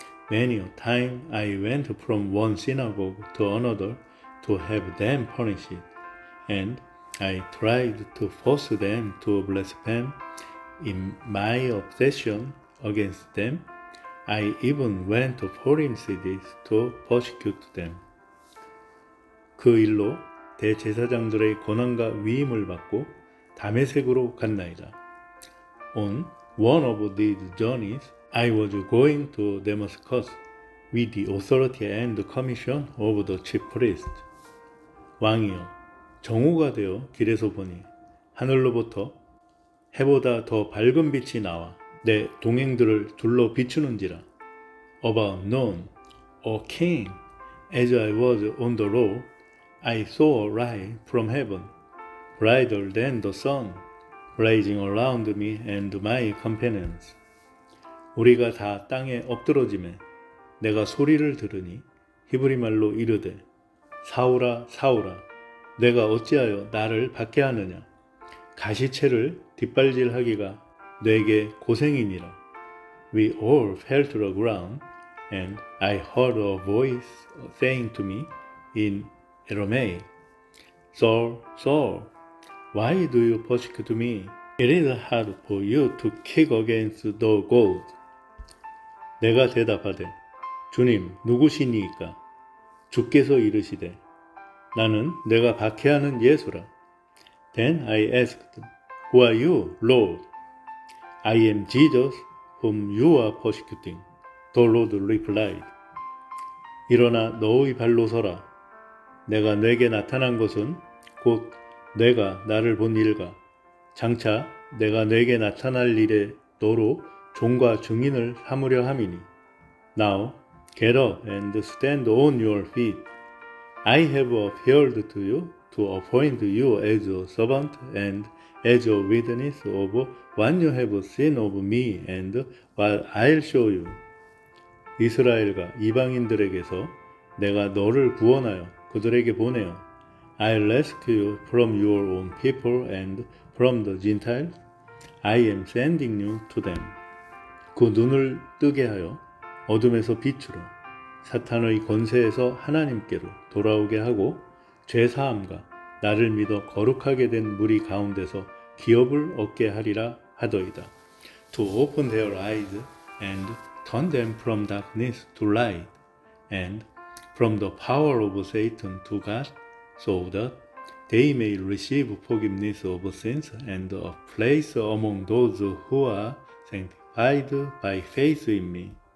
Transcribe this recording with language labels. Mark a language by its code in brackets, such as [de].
[en] Many a time I went from one synagogue to another to have them punished and I tried to force them to blaspheme in my obsession against them I even went to foreign cities to persecute them [ko] 그 일로 대제사장들의 권한과 위임을 받고 다메섹으로 갔나이다. [en] On one of these journeys, I was going to Damascus with the authority and commission of the chief priest. [ko] 왕이여, 정오가 되어 길에서 보니 하늘로부터 해보다 더 밝은 빛이 나와 내 동행들을 둘러 비추는지라. [en] About noon, O king, as I was on the road, I saw a light from heaven, brighter than the sun, rising around me and my companions. [ko] 우리가 다 땅에 엎드러지매, 내가 소리를 들으니 히브리 말로 이르되 사울아 사울아 내가 어찌하여 나를 받게 하느냐 가시채를 뒷발질하기가 내게 고생이니라. [en] We all fell to the ground and I heard a voice saying to me in Aramaic, Saul, Saul, why do you persecute me? It is hard for you to kick against the goad. [ko] 내가 대답하되 주님 누구시니이까? 주께서 이르시되 나는 내가 박해하는 예수라. [en] Then I asked, Who are you, Lord? I am Jesus, whom you are persecuting. The Lord replied, [ko] 일어나 너의 발로 서라. 내가 네게 나타난 것은 곧 내가 나를 본 일과 장차 내가 네게 나타날 일에 너로 종과 증인을 삼으려 함이니. [en] Now, get up and stand on your feet. I have appeared to you to appoint you as a servant and as a witness of what you have seen of me and what I'll show you. [ko] 이스라엘과 이방인들에게서 내가 너를 구원하여 그들에게 보내어 [en] I'll rescue you from your own people and from the Gentiles. I am sending you to them. [ko] 그 눈을 뜨게 하여 어둠에서 빛으로 사탄의 권세에서 하나님께로 돌아오게 하고 죄사함과 나를 믿어 거룩하게 된 무리 가운데서 기업을 얻게 하리라 하더이다. [en] To open their eyes and turn them from darkness to light and from the power of Satan to God so that they may receive forgiveness of sins and a place among those who are sanctified by faith in me.